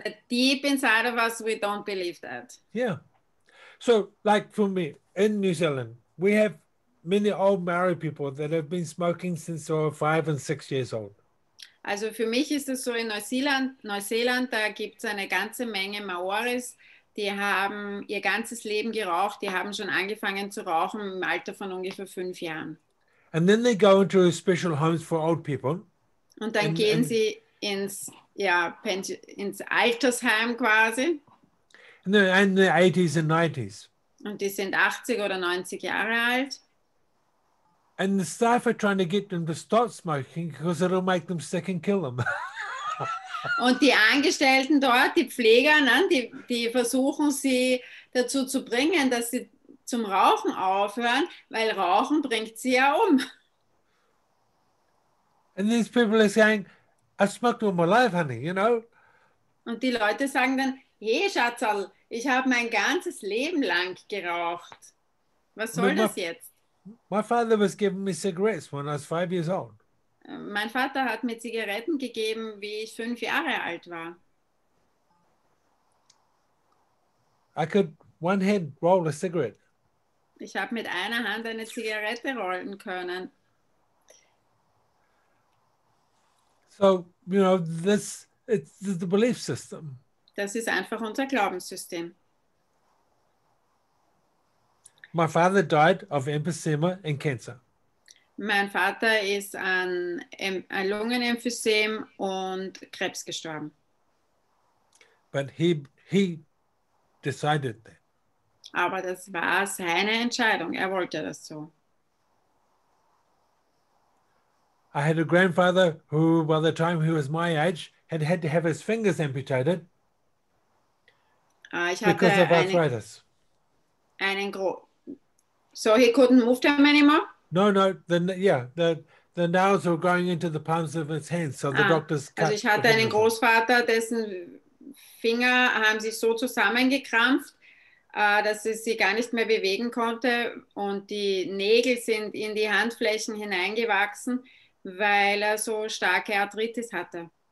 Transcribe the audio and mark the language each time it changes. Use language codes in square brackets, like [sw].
[en] That deep inside of us, we don't believe that. Yeah. So, like for me, in New Zealand, we have many old Maori people that have been smoking since they were 5 and 6 years old. [de] Also für mich ist es so in Neuseeland, da gibt es eine ganze Menge Maoris, die haben ihr ganzes Leben geraucht, die haben schon angefangen zu rauchen im Alter von ungefähr 5 Jahren. [en] And then they go into special homes for old people. [de] Und dann gehen sie ins Altersheim quasi. [en] And they're in the 80s and 90s. [de] Und die sind 80 oder 90 Jahre alt. [en] And the staff are trying to get them to stop smoking because it'll make them sick and kill them. [de] Und die Angestellten dort, die Pfleger, ne, die versuchen sie dazu zu bringen, dass sie zum Rauchen aufhören, weil Rauchen bringt sie ja um. [en] And these people are saying, I smoked all my life, honey, you know? [de] Und die Leute sagen dann, hey Schatzal, ich habe mein ganzes Leben lang geraucht. Was soll das jetzt? [en] My father was giving me cigarettes when I was 5 years old. [de] Mein Vater hat mir Zigaretten gegeben, wie ich 5 Jahre alt war. [en] I could one hand roll a cigarette. [de] Ich habe mit einer Hand eine Zigarette rollen können. [en] So, you know, this it's the belief system. [de] Das ist einfach unser Glaubenssystem. [en] My father died of emphysema and cancer. [de] Mein Vater ist an Lungenemphysem und Krebs gestorben. [en] But he decided that. [de] Aber das war seine Entscheidung. Er wollte das so. [en] I had a grandfather who, by the time he was my age, had had to have his fingers amputated. Because of arthritis. So he couldn't move them anymore? No. The nails were going into the palms of his hands, so the doctors cut. [de] Also ich hatte einen Großvater, dessen Finger haben sich so zusammengekrampft, dass es sie gar nicht mehr bewegen konnte und die Nägel sind in die Handflächen hineingewachsen, weil er so starke Arthritis hatte.